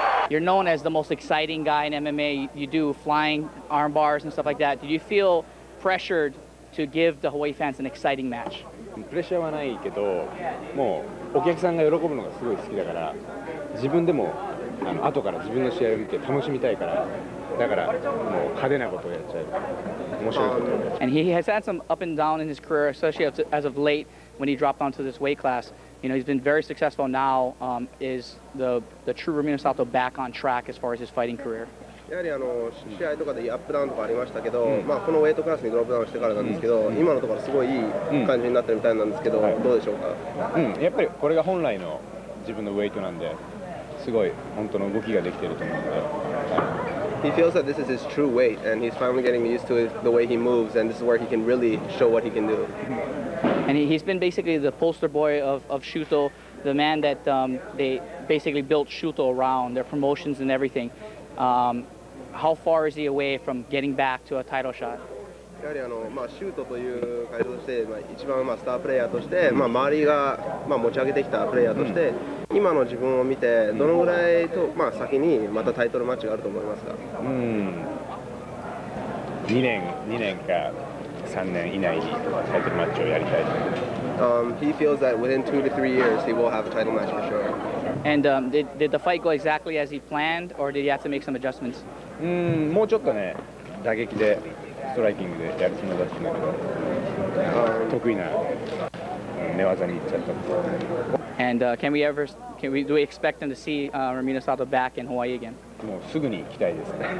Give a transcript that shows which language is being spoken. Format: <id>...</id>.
<en>You're known as the most exciting guy in MMA. You do flying arm bars and stuff like that. Do you feel pressured to give the Hawaii fans an exciting match?</en> <ja>Pressure はないけど、もうお客さんが喜ぶのがすごい好きだから、自分でも後から自分の試合を見て楽しみたいから、だからもう派手なことをやっちゃう。面白いことを。</ja> <en>And he has had some up and down in his career, especially as of late when he dropped onto this weight class. You know, he's been very successful now. Is the true Rumina Sato back on track as far as his fighting career?</en> <ja>やはりシェアとかでアップダウンとかありましたけど、まあこのウェイトクラスにドロップダウンしてからなんですけど、今のところすごいいい感じになってるみたいなんですけど、どうでしょうか？やっぱりこれが本来の自分のウェイトなんで、すごい本当の動きができてると思うので。</ja> <en>He feels that this is his true weight, and he's finally getting used to the way he moves, and this is where he can really show what he can do. And he's been basically the poster boy of Shuto, the man that they basically built Shuto around, their promotions and everything. How far is he away from getting back to a title shot?</en> <ja>やはりShuto という会場として、一番スタープレイヤーとして、周りが持ち上げてきたプレイヤーとして、今の自分を見て、どのぐらいと、先にまたタイトルマッチがあると思いますか？ 2年か。3年以内にタイトルマッチをやりたいと思います。</ja> <en>He feels that within 2 to 3 years he will have a title match for sure. And did the fight go exactly as he planned, or did he have to make some adjustments?</en> <ja>もうちょっとね、打撃でストライキングでやるつもりだったんだけど、得意な寝技に行っちゃったんです。</ja> <en>And do we expect him to see Rumina Sato back in Hawaii again?</en> <ja>もうすぐに行きたいですね。</ja>